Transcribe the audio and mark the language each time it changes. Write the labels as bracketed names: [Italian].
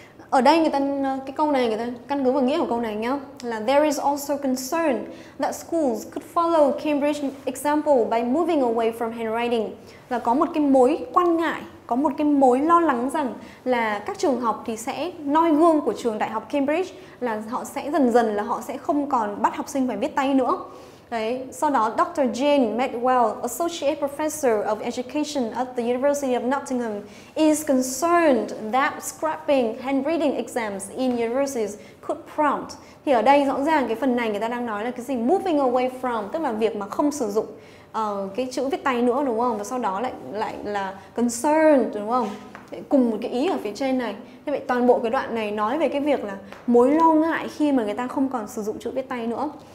[Vietnamese] Ở đây người ta, cái câu này người ta căn cứ vào nghĩa của câu này nhá, là [English] there is also concern that schools could follow Cambridge example by moving away from handwriting, [Vietnamese] là có một cái mối quan ngại, có một cái mối lo lắng rằng là các trường học thì sẽ noi gương của trường đại học Cambridge, là họ sẽ dần dần là họ sẽ không còn bắt học sinh phải viết tay nữa. Đấy, sau đó Dr. [English] Jane Medwell, Associate Professor of Education at the University of Nottingham, is concerned that scrapping handwriting exams in universities could prompt. [Vietnamese] Thì ở đây rõ ràng cái phần này người ta đang nói là cái gì? [English] Moving away from, [Vietnamese] tức là việc mà không sử dụng cái chữ viết tay nữa đúng không? Và sau đó lại là concerned đúng không? Cùng một cái ý ở phía trên này. Thế vậy toàn bộ cái đoạn này nói về cái việc là mối lo ngại khi mà người ta không còn sử dụng chữ viết tay nữa.